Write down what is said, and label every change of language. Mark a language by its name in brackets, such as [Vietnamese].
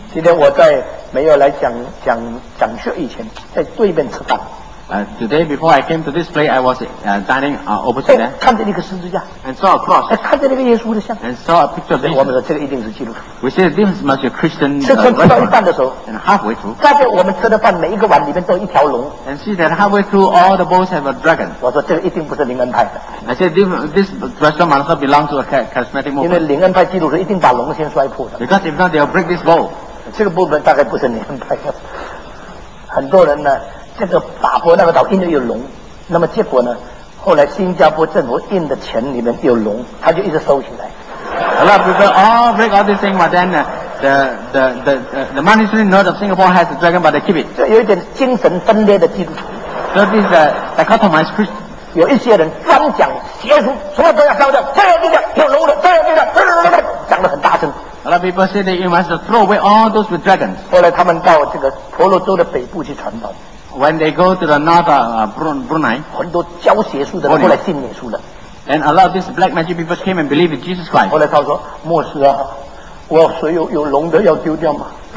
[Chinese] 今天我在没有来讲学以前，在对面吃饭。 [English] Today before I came to this place, I was dining opposite there. [Chinese] 看见那个十字架。 [English] And saw a cross. [Chinese] 看见那个耶稣的像。 [English] And saw a picture of Jesus. [Chinese] 我们说这个一定是基督徒。 [English] We say this must be a Christian. [Chinese] 吃到一半的时候。 [English] And halfway through. [Chinese] 看见我们吃的饭每一个碗里面都有一条龙。 [English] And see that halfway through all the bowls have a dragon. [Chinese] 我说这个一定不是灵恩派的。 [English] I said this restaurant must not belong to a charismatic movement. [Chinese] 因为灵恩派基督徒一定把龙先摔破的。 [English] Because if not, they'll break this bowl. [Chinese] 这个部分大概不是灵恩派的。很多人呢。这个打破那个岛因为有龙，那么结果呢？后来新加坡政府印的钱里面有龙，他就一直收起来。 [English] A lot of people break all these things, but then the monetary note of Singapore has a dragon, but they keep it. [Chinese] 这有一点精神分裂的基督徒。 [English] So this dichotomized Christian. [Chinese] 有一些人专讲邪术，什么都要烧掉，这样这样有龙的，这样这样这样这样，讲得很大声。 [English] A lot of people say that you must throw away all those with dragons. [Chinese] 后来他们到这个婆罗洲的北部去传道。 [English] When they go to the north of Brunei, [Chinese] 很多教邪术的人后来信耶稣了。 [English] And a lot of these black magic people came and believed in Jesus Christ. [Chinese] 后来他说：“牧师啊，我所有有龙的要丢掉吗？”